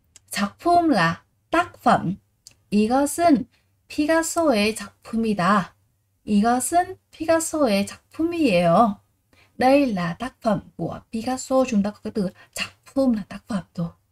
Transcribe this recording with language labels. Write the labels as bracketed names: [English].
[Vietnamese] 작품 là tác phẩm. [Korean] 이것은 피가소의 작품이다. 이것은 피가소의 작품이에요. [Vietnamese] Đây là tác phẩm của Picasso. Chúng ta có cái từ 작품 là tác phẩm rồi.